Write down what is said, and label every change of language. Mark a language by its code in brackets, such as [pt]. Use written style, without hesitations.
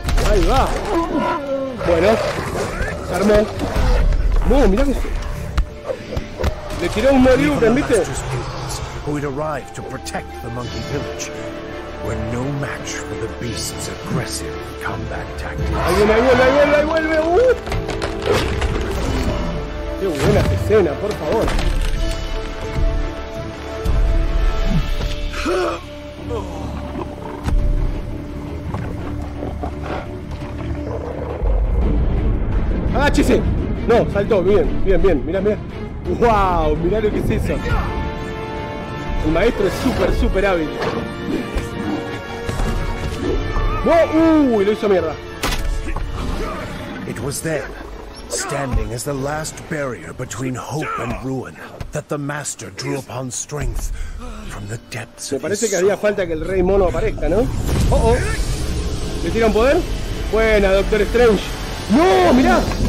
[es] Ahí va. Bueno, se armó. No, mirá que se... Le tiró un Moriuken, ¿viste? [en] Who had arrived to protect the monkey village were no match for the beast's aggressive combat tactics. [es] Ahí viene, ahí vuelve, ahí vuelve, ahí vuelve. Qué buena escena, por favor. ¡Agáchese! No, saltó, bien, bien, bien, mirá, mirá. ¡Wow! Mirá lo que es eso. El maestro es súper, súper hábil. ¡No! ¡Uy! Lo hizo mierda. [en] It was there, standing as the last barrier between hope and ruin, that the master drew upon strength from the depths of his [es] Me parece que había falta que el rey mono aparezca, ¿no? ¡Oh, oh! ¿Le tiran poder? ¡Buena, Doctor Strange! ¡No! ¡Mirá!